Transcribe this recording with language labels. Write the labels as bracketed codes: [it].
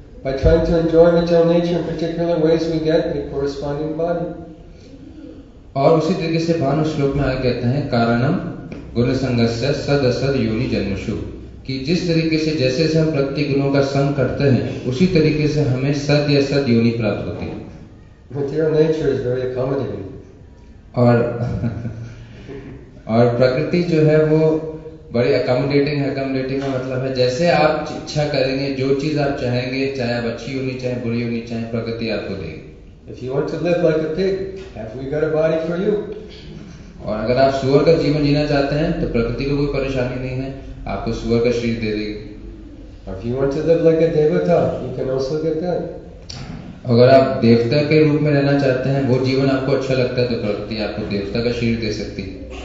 [en] By trying to enjoy material nature in particular ways, we get the corresponding body. [hi] और उसी तरीके से भानु श्लोक में आगे कहते हैं [sa] कारणम गुण संगस्य सद असद योनि जन्मशु [hi] कि जिस तरीके से जैसे जैसे हम प्रकृति गुणों का संग करते हैं उसी तरीके से हमें सद या सद योनि प्राप्त होती है. [en] Material nature is very accommodating. [hi] और प्रकृति जो है वो बड़ी अकोमोडेटिंग है. अकोमोडेटिंग का मतलब है जैसे आप इच्छा करेंगे जो चीज आप चाहेंगे चाहे आप अच्छी होनी चाहे बुरी होनी चाहे प्रकृति आपको देगी. [en] If you want to live like a pig, have we got a body for you? [hi] और अगर आप सुअर का जीवन जीना चाहते हैं तो प्रकृति को कोई परेशानी नहीं है आपको सुअर का शरीर दे देगी. [en] If you want to live like a devata, you can also get that. [hi] अगर आप देवता के रूप में रहना चाहते हैं वो जीवन आपको अच्छा लगता है तो प्रकृति आपको देवता का शरीर दे सकती है.